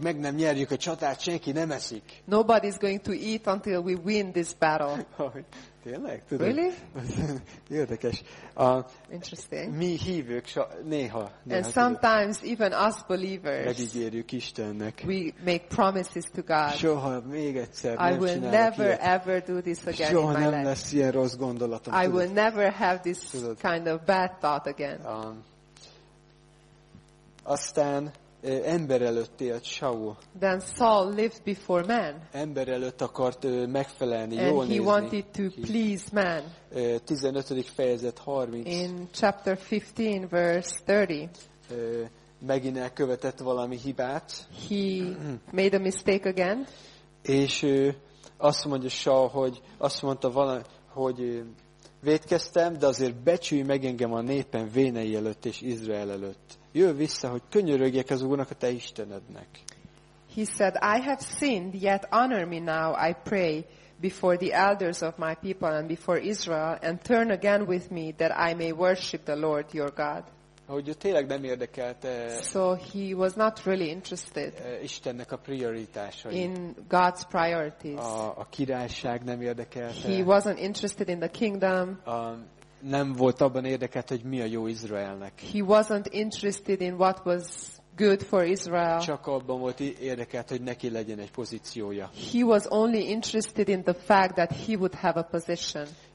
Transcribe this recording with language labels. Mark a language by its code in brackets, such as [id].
[hu] meg nem nyerjük a csatát, senki nem eszik. [en] Nobody is going to eat until we win this battle. [hu] Tényleg, tudod? [en] Really? [hu] Érdekes. [en] Interesting. [hu] Mi hívjuk néha. [en] And sometimes even us believers. [hu] Megígérjük Istennek. [en] We make promises to God. [hu] Soha még egyszer nem csinálok ilyet. [en] I will never ever do this again in my life. [hu] Soha nem lesz ilyen rossz gondolatom. [en] I will never have this kind of bad thought again. [hu] Aztán ember előtt élt Saul. [en] Then Saul lived before men. [hu] Ember előtt akart megfelelni, jól nézni. [en] And he wanted to please men. [hu] 15. fejezet 30. [en] In chapter 15 verse 30. [hu] Megint elkövetett valami hibát. [en] He made a mistake again. [hu] És azt mondja Saul, hogy azt mondta valami, hogy vétkeztem, de azért becsülj meg engem a népen vénei előtt és Izrael előtt. Jöjj vissza, hogy könyörögjek az Úrnak, a te Istenednek. [en] He said, I have sinned, yet honor me now, I pray, before the elders of my people and before Israel, and turn again with me, that I may worship the Lord your God. [hu] Hogy tényleg nem érdekelt. [en] So he was not really interested. [hu] Istennek a prioritásai. [en] In God's priorities. [hu] A királyság nem érdekelt. [en] He wasn't interested in the kingdom. [hu] Nem volt abban érdekelt, hogy mi a jó Izraelnek. [en] He wasn't interested in what was good for Israel. [hu] Csak abban volt érdekelt, hogy neki legyen egy pozíciója. [en] He was only interested in the fact that he would have a position.